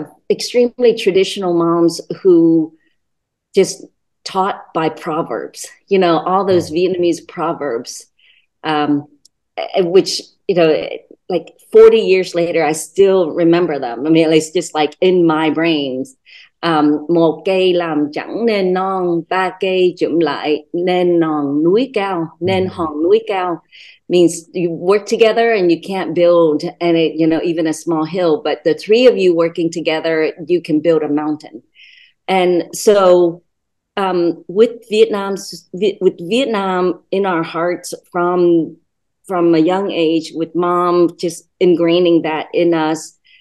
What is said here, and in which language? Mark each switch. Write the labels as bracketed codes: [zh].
[en] extremely traditional moms who just taught by proverbs, you know, all those Vietnamese proverbs, which, you know, like 40 years later, I still remember them. I mean, it's just like in my brains. [vi] Một cây làm chẳng nên non, ba cây chụm lại nên hòn núi cao, nên hòn núi cao. [en] Means you work together and you can't build any, you know, even a small hill, but the three of you working together, you can build a mountain. And so with Vietnam in our hearts from a young age, with mom just ingraining that in us,